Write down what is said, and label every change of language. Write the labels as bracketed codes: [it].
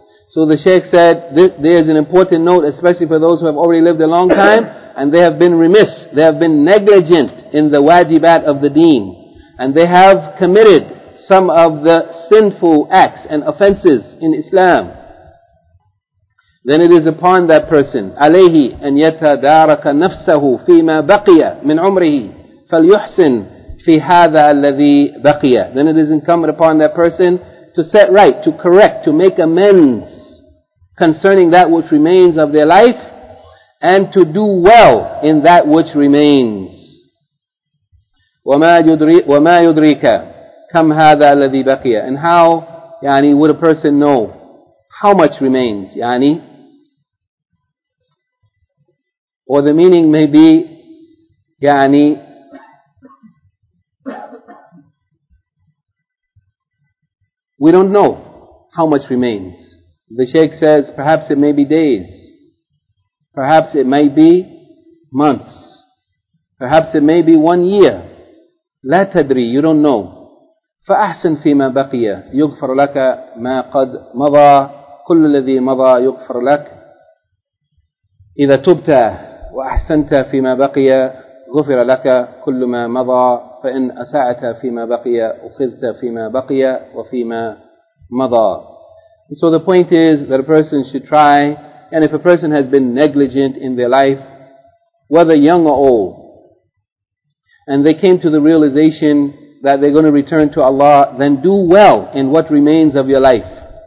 [en] So the Shaykh said, there is an important note, especially for those who have already lived a long time, and they have been remiss, they have been negligent in the wajibat of the deen. And they have committed some of the sinful acts and offenses in Islam. Then it is upon that person, [ar] عَلَيْهِ أَنْ يَتَدَارَكَ نَفْسَهُ فِي مَا بَقِيَ مِنْ عُمْرِهِ فَلْيُحْسِنْ فِي هَذَا الَّذِي بَقِيَ. [en] Then it is incumbent upon that person to set right, to correct, to make amends concerning that which remains of their life, and to do well in that which remains. [ar] وَمَا يُدْرِيكَ كَمْ هَذَا الَّذِي بَقِيَ. [en] And how, yani, would a person know? how much remains, yani? Or the meaning may be, yani, we don't know how much remains. The Shaykh says, perhaps it may be days. Perhaps it may be months. Perhaps it may be 1 year. [ar] لا تدري, [en] you don't know. [ar] فأحسن فيما بقي يغفر لك ما قد مضى كل الذي مضى يغفر لك إذا تبت وأحسنت فيما بقي غفر لك كل ما مضى فإن أسعت فيما بقي أخذت فيما بقي وفيما مضى. [en] So the point is that a person should try, and if a person has been negligent in their life, whether young or old, and they came to the realization that they're going to return to Allah, then do well in what remains of your life.